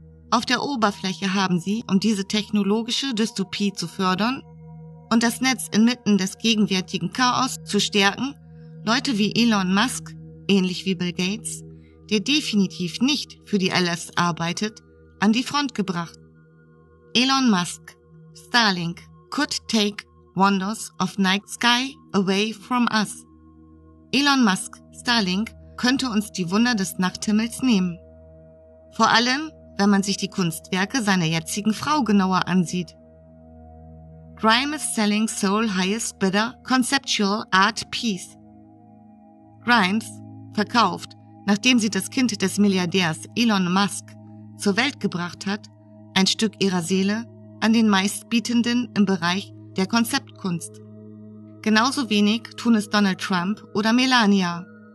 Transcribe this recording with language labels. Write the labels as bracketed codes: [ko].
[de] Auf der Oberfläche haben sie, um diese technologische Dystopie zu fördern und das Netz inmitten des gegenwärtigen Chaos zu stärken, Leute wie Elon Musk, ähnlich wie Bill Gates, der definitiv nicht für die LFs arbeitet, an die Front gebracht. [en] Elon Musk, Starlink, could take wonders of night sky away from us. [de] Elon Musk, Starlink, könnte uns die Wunder des Nachthimmels nehmen. Vor allem, wenn man sich die Kunstwerke seiner jetzigen Frau genauer ansieht. [en] Grime is selling soul highest bidder conceptual art piece. [de] Grimes verkauft, nachdem sie das Kind des Milliardärs Elon Musk zur Welt gebracht hat, ein Stück ihrer Seele an den Meistbietenden im Bereich der Konzeptkunst. Genauso wenig tun es Donald Trump oder Melania.